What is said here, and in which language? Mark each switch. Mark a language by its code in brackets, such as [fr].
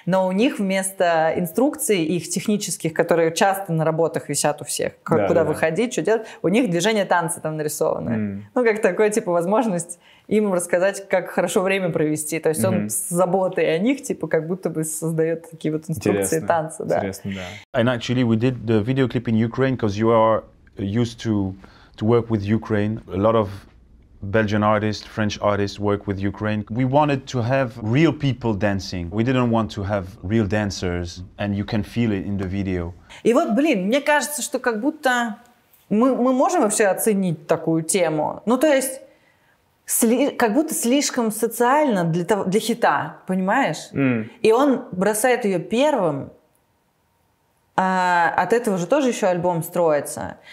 [ru] Но у них вместо инструкций их технических, которые часто на работах висят у всех, как, да, куда да. выходить, что делать, у них движение танца там нарисовано. Mm. Ну, как такое, типа, возможность им рассказать, как хорошо время провести. То есть mm-hmm. он с заботой о них, типа, как будто бы создает такие вот инструкции интересно. Танца. Интересно, да. да. [en] And actually, we did the video clip in Ukraine, because you are used to work with Ukraine. A lot of Belgian artists, French artists work with Ukraine. We wanted to have real people dancing. We didn't want to have real dancers, and you can feel it in the video. [ru] И вот, блин, мне кажется, что как будто мы можем вообще оценить такую тему. Ну, то есть, как будто слишком социально для того, для хита, понимаешь? Mm. И он бросает ее первым. А от этого же тоже еще альбом строится.